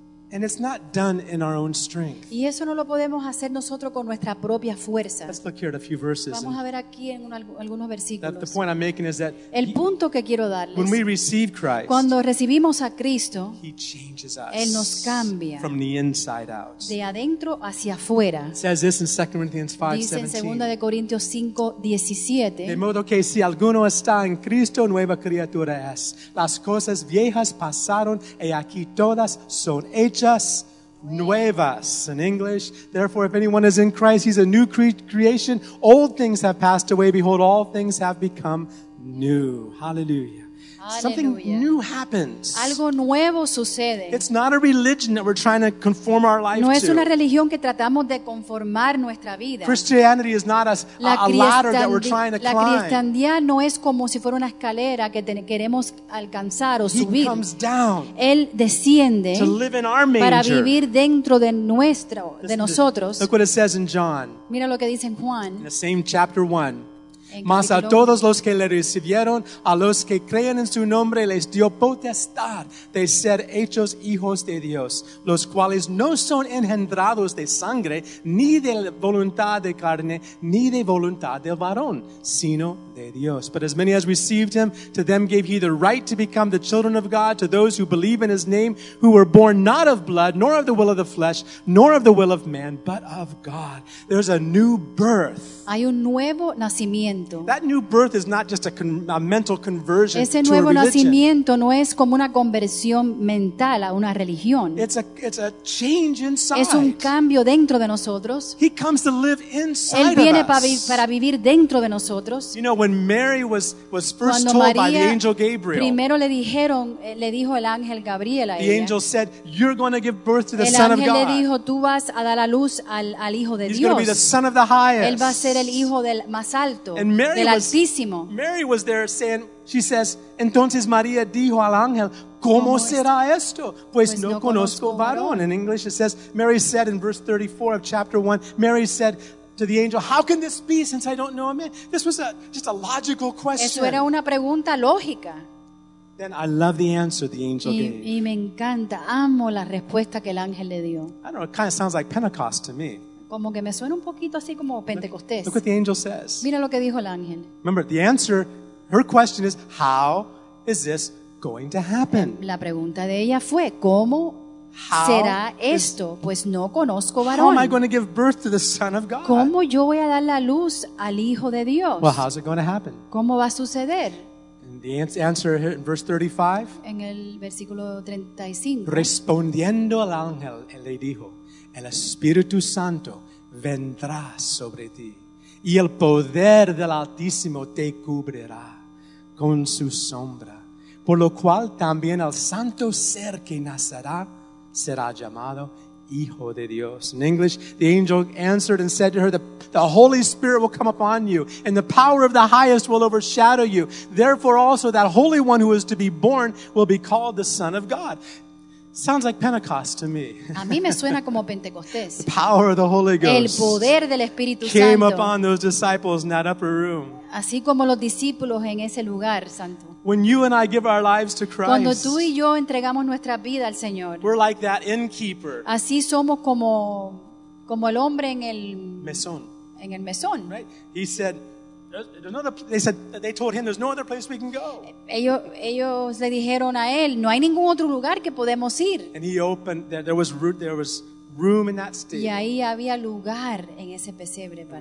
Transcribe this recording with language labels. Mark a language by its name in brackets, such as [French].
[English] And it's not done in our own strength. [Spanish] Y eso no lo podemos hacer nosotros con nuestra propia fuerza. [English] Let's look here at a few verses. [Spanish] Vamos a ver aquí en algunos versículos. [English] The point I'm making is that [Spanish] el punto que quiero darles, [English] when we receive Christ, [Spanish] cuando recibimos a Cristo, [English] he changes us. [Spanish] Él nos cambia [English] from the inside out. [Spanish] De adentro hacia afuera. [English] It says this in 2 Corinthians 5:17. [Spanish] Dice en 2 Corintios 5:17. De modo que si alguno está en Cristo, nueva criatura es. Las cosas viejas pasaron, y aquí todas son hechas. [English] Just nuevas in English. Therefore, if anyone is in Christ, he's a new creation. Old things have passed away. Behold, all things have become new. Hallelujah. Hallelujah. Something new happens. [Spanish] Algo nuevo sucede. [English] It's not a religion that we're trying to conform our life to. [Spanish] No es una religión que tratamos de conformar nuestra vida. [English] Christianity is not a ladder that we're trying to climb. [Spanish] La cristiandad no es como si fuera una escalera que queremos alcanzar o [English] he [Spanish] subir. [English] He comes down. [Spanish] Él desciende [English] to live in our manger. [Spanish] Para vivir dentro de nuestro, de nosotros. [English] Look what it says in John. [Spanish] Mira lo que dice en Juan. [English] In the same chapter 1. [Spanish] Mas a todos los que le recibieron, a los que creen en su nombre, les dio potestad de ser hechos hijos de Dios, los cuales no son engendrados de sangre, ni de voluntad de carne, ni de voluntad del varón, sino de Dios. [English] But as many as received him, to them gave he the right to become the children of God, to those who believe in his name, who were born not of blood, nor of the will of the flesh, nor of the will of man, but of God. There's a new birth. [Spanish] Hay un nuevo nacimiento. [English] That new birth is not just a mental conversion. [Spanish] Ese nuevo [English] to a [Spanish] nacimiento no es como una conversión mental a una religión. [English] It's a change inside. [Spanish] Es un cambio dentro de nosotros. [English] He comes to live inside. [Spanish] Él viene [English] of us. [Spanish] Para vivir dentro de nosotros. [English] You know when Mary was first [Spanish] cuando [English] told [Spanish] María [English] by the angel Gabriel. [Spanish] Primero le dijo el ángel Gabriel a [English] the [Spanish] ella. [English] The angel said, "You're going to give birth to the [Spanish] el [English] Son of God." [Spanish] El ángel le dijo, "Tú vas a dar a luz al hijo de [English] He's [Spanish] Dios." [English] He's going to be the Son of the Highest. [Spanish] Él va a ser el hijo del más alto. [English] And Mary was there saying, she says, [Spanish] entonces María dijo al ángel, ¿cómo será esto? Pues no conozco varón. [English] In English it says, Mary said in verse 34 of chapter 1, Mary said to the angel, how can this be since I don't know a man? This was just a logical question. [Spanish] Eso era una pregunta lógica. [English] Then I love the answer the angel gave. [Spanish] Y me encanta, amo la respuesta que el ángel le dio. [English] I don't know, it kind of sounds like Pentecost to me. [Spanish] Como que me suena un poquito así como Pentecostés. [English] Look what the angel says. [Spanish] Mira lo que dijo el ángel. [English] Remember, the answer, her question is, how is this going to happen? [Spanish] La pregunta de ella fue, ¿cómo [English] how [Spanish] será esto? [English] Is, [Spanish] pues no conozco varón. [English] How am I going to give birth to the Son of God? [Spanish] ¿Cómo yo voy a dar la luz al Hijo de Dios? [English] Well, how's it going to happen? [Spanish] ¿Cómo va a suceder? [English] And the answer in verse 35. [Spanish] En el versículo 35. Respondiendo al ángel, él le dijo, el Espíritu Santo vendrá sobre ti y el poder del Altísimo te cubrirá con su sombra. Por lo cual también el santo ser que nacerá será llamado Hijo de Dios. [English] In English, the angel answered and said to her, the Holy Spirit will come upon you and the power of the Highest will overshadow you. Therefore also that Holy One who is to be born will be called the Son of God. Sounds like Pentecost to me. [Spanish] A mí me suena como Pentecostés. [English] The power of the Holy Ghost. [Spanish] El poder del Espíritu Santo. [English] Came upon those disciples in that upper room. [Spanish] Así como los discípulos en ese lugar santo. [English] When you and I give our lives to Christ. [Spanish] Cuando tú y yo entregamos nuestra vida al Señor. [English] We're like that innkeeper. [Spanish] Así somos como el hombre en el mesón. En el mesón. [English] Right? He said, They told him there's no other place we can go. [Spanish] Ellos le dijeron a él, no hay ningún otro lugar que podemos ir. [English] And he opened, there was room in that stable. [Spanish] Y ahí había lugar en ese pesebre para.